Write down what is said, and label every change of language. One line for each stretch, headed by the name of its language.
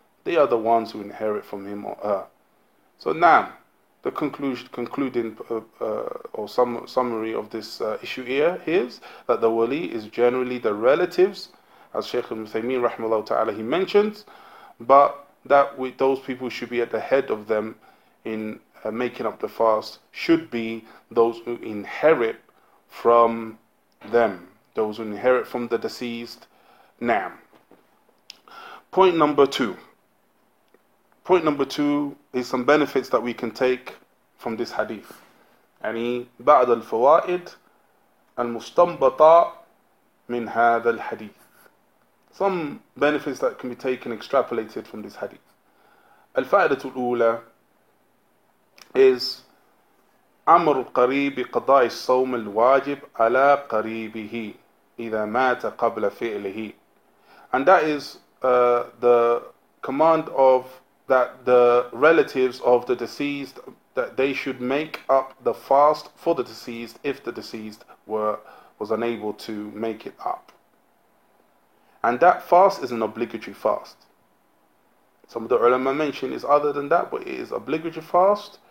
English: They are the ones who inherit from him or her. So now, the concluding summary of this issue here is that the wali is generally the relatives, as Shaykh al-Muthaymeen rahimahullah ta'ala, he mentions, but that those people should be at the head of them in making up the fast should be those who inherit from them, those who inherit from the deceased. Now, point number two is some benefits that we can take from this hadith.
Arabic: يعني بعد الفوائد المستنبطة من هذا الحديث.
English: Some benefits that can be taken, extrapolated from this hadith.
Arabic: الفائدة الأولى
English: is
Arabic: أمر القريب قضاء الصوم الواجب على قريبه إذا مات قبل فعله.
English: And that is the command of that the relatives of the deceased, that they should make up the fast for the deceased if the deceased was unable to make it up. And that fast is an obligatory fast. Some of the ulama mentioned is other than that, but it is obligatory fast.